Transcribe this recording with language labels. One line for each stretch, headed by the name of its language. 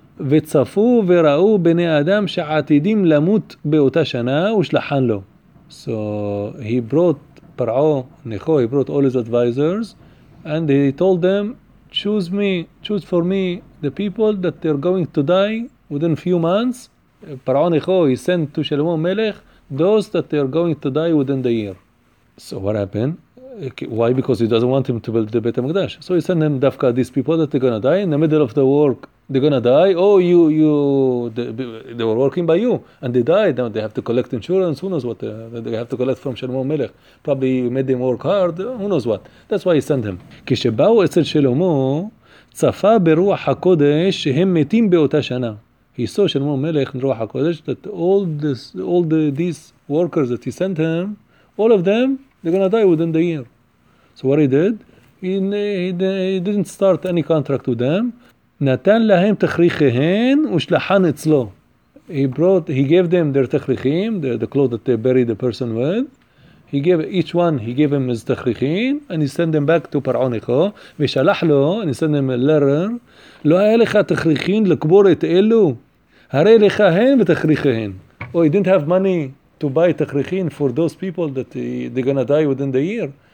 Hebrew: וצפו וראו בני אדם שעתידים למות באותה שנה ושלחן לו.
English: So he brought פרעו נכו, he brought all his advisors and he told them, choose for me the people that they're going to die within few months. פרעו נכו, he sent to שלמה מלך those that they're going to die within the year. So what happened? Why? Because he doesn't want him to build the Beit HaMikdash. So he sent him Dafka, these people that they're going to die in the middle of the work. They're going to die. Oh, they were working by you. And they died. Now they have to collect insurance. Who knows what they have to collect from Shlomo Melech. Probably you made them work hard. Who knows what. That's why he sent him.
Hebrew: כשבאו אצל שלמה, צפה ברוח הקודש שהם מתים באותה שנה.
English: He saw Shlomo Melech in Ruach HaKodesh that all these workers that he sent him, all of them, they're going to die within the year. So what he did? He didn't start any contract with them.
Hebrew: נתן להם תכריכיהן ושלחן אצלו.
English: He gave them their תכריכים, the cloth that they buried the person with. He gave him his תכריכים, and he sent them back to פרעה נכו,
Hebrew: ושלח לו,
English: and he sent them a letter,
Hebrew: לא היה לך תכריכים לקבור את אלו? הרי לך הן ותכריכיהן.
English: Oh, he didn't have money to buy תכריכים for those people that they're going to die within the year.